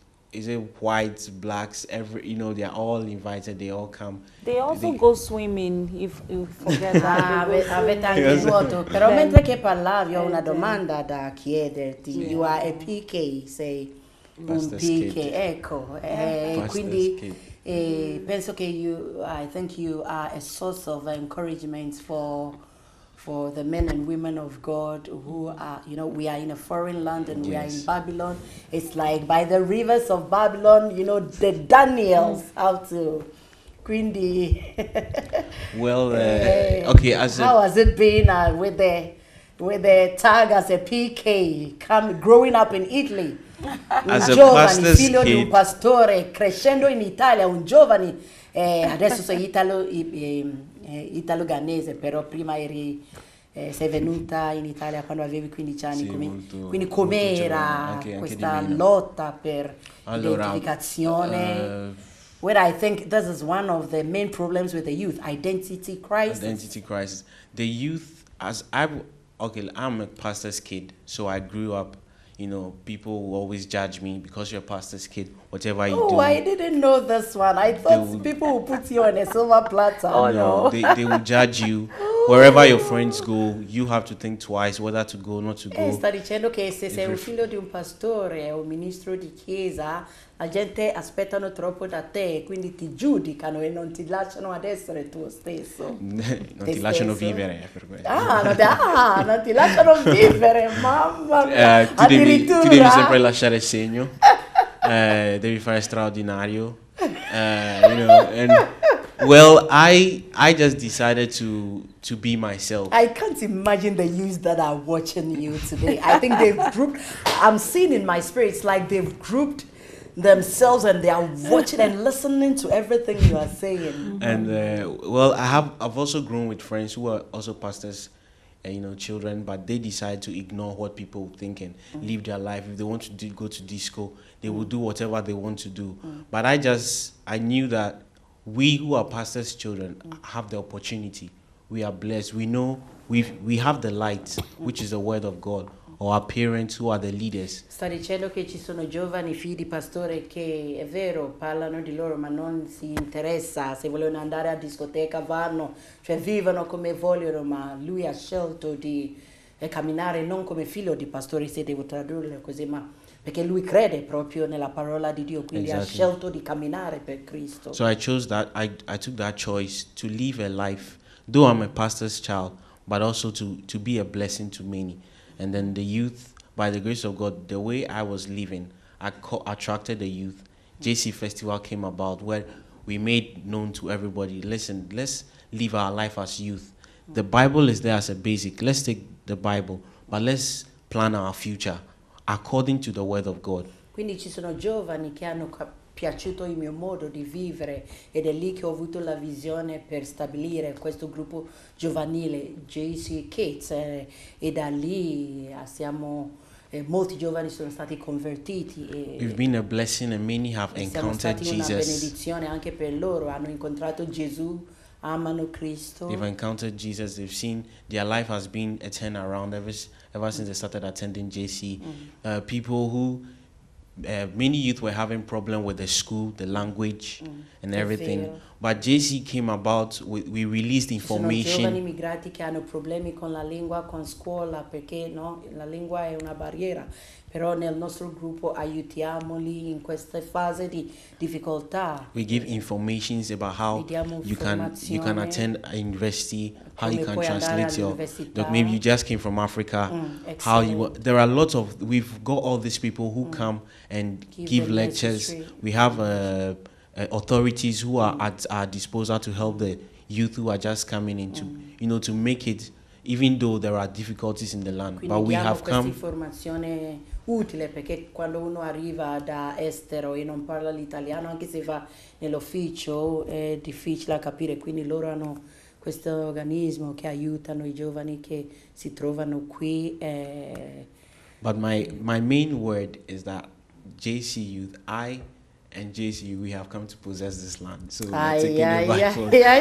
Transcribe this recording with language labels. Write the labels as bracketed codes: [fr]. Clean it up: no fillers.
[en] Is it whites, blacks, every, you know, they're all invited, they all come. They also go swimming, if you forget that. [it] Avete anche nuoto. Però mentre che parlavi, ho una domanda da chiederti. [en] Yeah. You are a PK, [it] sei un PK, ecco. Quindi penso che [en] you, I think you are a source of encouragement for the men and women of God who are, you know, we are in a foreign land and we are in Babylon. It's like by the rivers of Babylon, you know, the Daniels out to Quindi. Well, okay. How has it been with the tag as a PK growing up in Italy? As a pastor's kid. [it] Figlio di un pastore crescendo in Italia, un giovane, adesso sei italo... Italo Ghanese, però prima eri sei venuta in Italia quando avevi 15 anni. Sì, quindi com'era questa lotta per l'identificazione? [en] Well, I think this is one of the main problems with the youth, identity crisis. Identity crisis. The youth, I'm a pastor's kid, so I grew up. You know, people will always judge me because you're a pastor's kid, whatever you do. Oh, I didn't know this one. I thought people will put you on a silver platter. Oh, no. They will judge you. Wherever your friends go, you have to think twice whether to go or not to go. [it] Sta dicendo che se sei un figlio di un pastore o ministro di chiesa, la gente aspettano troppo da te, quindi ti giudicano e non ti lasciano ad essere tu stesso. Non ti lasciano vivere, per questo. Non ti lasciano vivere, mamma mia. Tu devi sempre lasciare segno, devi fare straordinario. [en] You know, and well, I just decided to be myself. I can't imagine the youth that are watching you today. I think they've grouped. I'm seeing in my spirits like they've grouped themselves and they are watching and listening to everything you are saying. Mm-hmm. And well, I've also grown with friends who are also pastors, you know, children, but they decide to ignore what people think and mm-hmm. live their life. If they want to go to disco, they will do whatever they want to do. Mm-hmm. But I knew that we who are pastors' children mm-hmm. have the opportunity. We are blessed. We know we have the light, mm-hmm. which is the word of God. Or our parents who are the leaders. [it] Sta dicendo che ci sono giovani figli di pastore che è vero parlano di loro ma non si interessa se vogliono andare a discoteca vanno cioè vivono come vogliono ma lui ha scelto di camminare non come figlio di pastore se devo tradurre così ma perché lui crede proprio nella parola di Dio quindi [en] exactly. [it] ha scelto di camminare per Cristo. [en] So I chose that I took that choice to live a life though I'm a pastor's child but also to be a blessing to many. And then the youth, by the grace of God, the way I was living, I attracted the youth. JC Festival came about where we made known to everybody, listen, let's live our life as youth. The Bible is there as a basic. Let's take the Bible, but let's plan our future according to the word of God. [it] Quindi ci sono giovani che hanno piaciuto il mio modo di vivere ed è lì che ho avuto la visione per stabilire questo gruppo giovanile JC Kids e da lì siamo molti giovani sono stati convertiti e [en] we've been a blessing and many have encountered Jesus. [it] Siamo stati una benedizione anche per loro, hanno incontrato Gesù, amano Cristo. [en] They've encountered Jesus, they've seen their life has been a turn around ever since they started attending JC. Mm-hmm. People who many youth were having problem with the school, the language, and everything. But JC came about. We released information. [it] Sono giovani migrati che hanno problemi con la lingua, con scuola, perché no, la lingua è una barriera. Però nel nostro gruppo aiutiamoli in questa fase di difficoltà. [en] We give information about how you can attend a university, how you can translate your like maybe you just came from Africa. Excellent. How you there are lots of we've got all these people who come and give lectures. Necessary. We have authorities who are at our disposal to help the youth who are just coming into you know to make it even though there are difficulties in the land. [it] Quindi [en] but we have come [it] utile perché quando uno arriva da estero e non parla l'italiano anche se va nell'ufficio è difficile capire quindi loro hanno questo organismo che aiutano I giovani che si trovano qui e [en] but my main word is that JC youth I and JC we have come to possess this land so we're taking